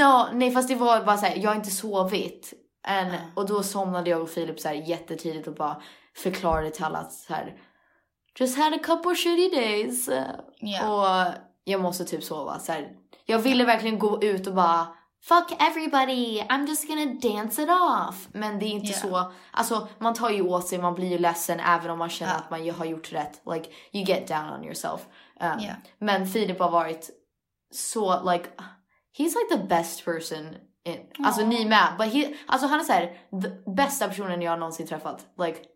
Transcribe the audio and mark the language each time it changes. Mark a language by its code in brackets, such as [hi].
[sv] no, nej, fast det var bara såhär, jag har inte sovit. Och då somnade jag och Filip såhär jättetidigt och bara förklarade till alla att såhär, [en] just had a couple of shitty days. Yeah. [sv] Och jag måste typ sova. Så här, jag ville verkligen gå ut och bara [en] fuck everybody, I'm just gonna dance it off. [sv] Men det är inte så. Alltså, man tar ju åt sig, man blir ju ledsen även om man känner att man ju har gjort rätt. [en] Like, you get down on yourself. [sv] Men Filip har varit så, [en] like, he's like the best person in, [sv] alltså ni med, [en] but he, [sv] alltså han är såhär the bästa personen jag någonsin träffat, like,